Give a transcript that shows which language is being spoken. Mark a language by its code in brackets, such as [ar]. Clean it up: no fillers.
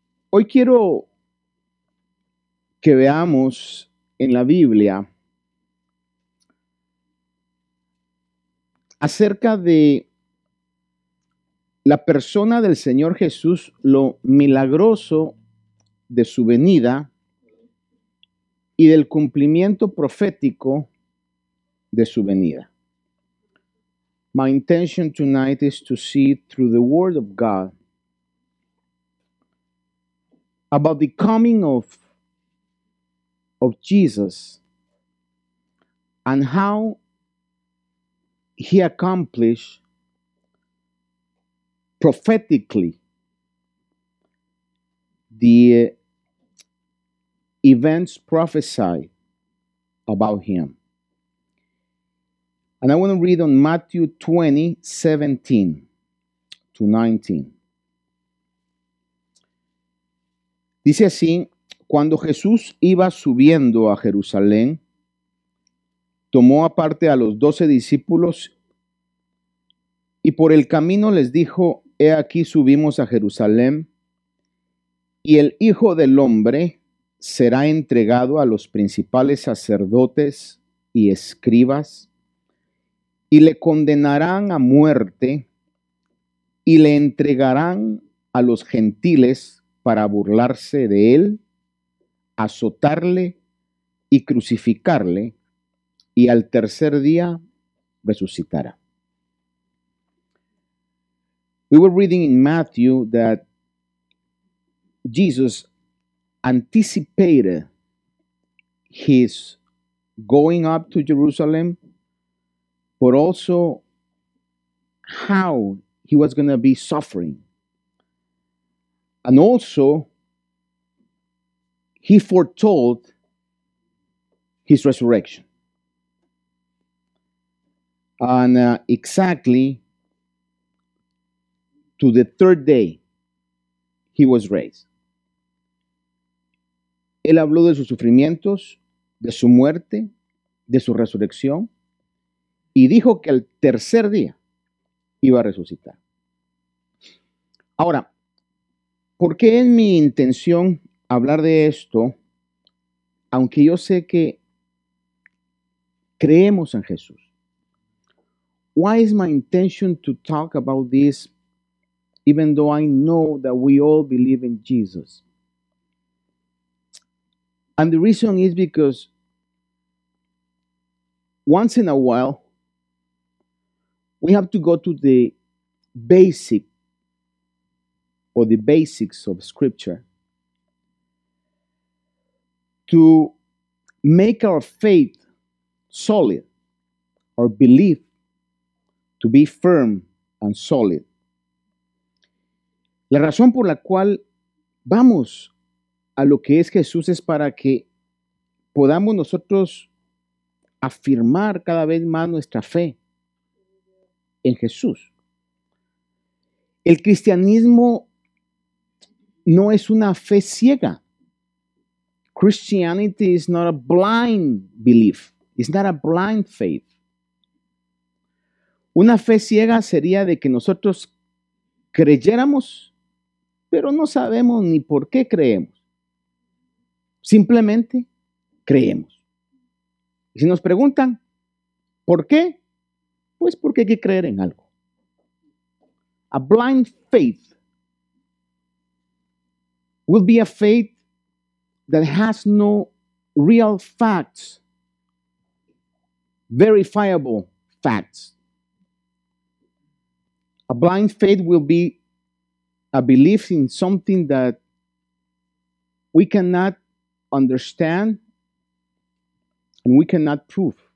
[es] Hoy quiero que veamos en la Biblia acerca de la persona del Señor Jesús, lo milagroso de su venida y del cumplimiento profético de su venida. [en] My intention tonight is to see through the Word of God about the coming of Jesus and how he accomplished prophetically the events prophesied about him. And I want to read on Matthew 20, 17 to 19. [es] Dice así: cuando Jesús iba subiendo a Jerusalén, tomó aparte a los 12 discípulos y por el camino les dijo: he aquí, subimos a Jerusalén, y el Hijo del Hombre será entregado a los principales sacerdotes y escribas, y le condenarán a muerte, y le entregarán a los gentiles para burlarse de él, azotarle y crucificarle, y al tercer día resucitará. [en] We were reading in Matthew that Jesus anticipated his going up to Jerusalem, but also how he was going to be suffering. And also, he foretold his resurrection. And exactly to the third day, he was raised. [es] Él habló de sus sufrimientos, de su muerte, de su resurrección, y dijo que al tercer día iba a resucitar. Ahora, ¿por qué es mi intención hablar de esto? Aunque yo sé que creemos en Jesús. [en] Why is my intention to talk about this, even though I know that we all believe in Jesus? And the reason is because once in a while, we have to go to the basic or the basics of Scripture to make our faith solid, our belief to be firm and solid. [es] La razón por la cual vamos a lo que es Jesús es para que podamos nosotros afirmar cada vez más nuestra fe en Jesús. El cristianismo no es una fe ciega. [en] Christianity is not a blind belief. It's not a blind faith. [es] Una fe ciega sería de que nosotros creyéramos, pero no sabemos ni por qué creemos. Simplemente creemos. Y si nos preguntan, ¿por qué? Pues porque hay que creer en algo. [en] A blind faith will be a faith that has no real facts, verifiable facts. A blind faith will be a belief in something that we cannot understand and we cannot prove.